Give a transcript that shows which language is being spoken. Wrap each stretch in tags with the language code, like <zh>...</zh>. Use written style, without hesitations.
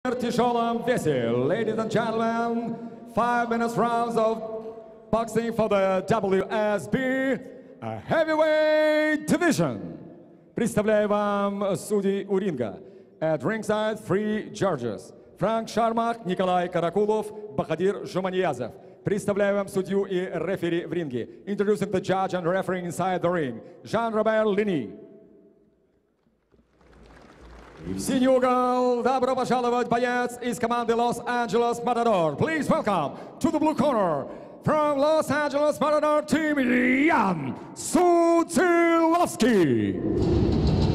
<en>Tisholam Vesey, ladies and gentlemen, 5 minutes rounds of boxing for the WSB heavyweight division.</en> <ru>Представляю вам судей у ринга.</ru> <en>At ringside, 3 judges.</en> <ru>Франк Шармах, Николай Каракулов, Бахадир Жуманиязов. Представляю вам судью и рефери в ринге.</ru> <en>Introducing the judge and referee inside the ring.</en> <ru>Жан-Робер Лини. И в синий угол добро пожаловать боец из команды Лос-Анджелес Матадор.</ru> <en>Please welcome to the blue corner from Лос-Анджелес Матадор team Ян Суциловский.</en>